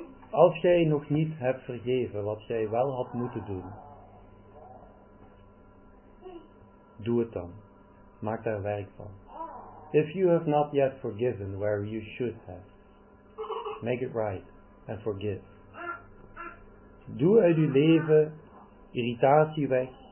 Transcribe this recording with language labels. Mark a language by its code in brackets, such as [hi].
[nl] Als jij nog niet hebt vergeven wat jij wel had moeten doen, doe het dan. Maak daar werk van. [en] If you have not yet forgiven where you should have, make it right and forgive. [nl] Doe uit je leven irritatie weg.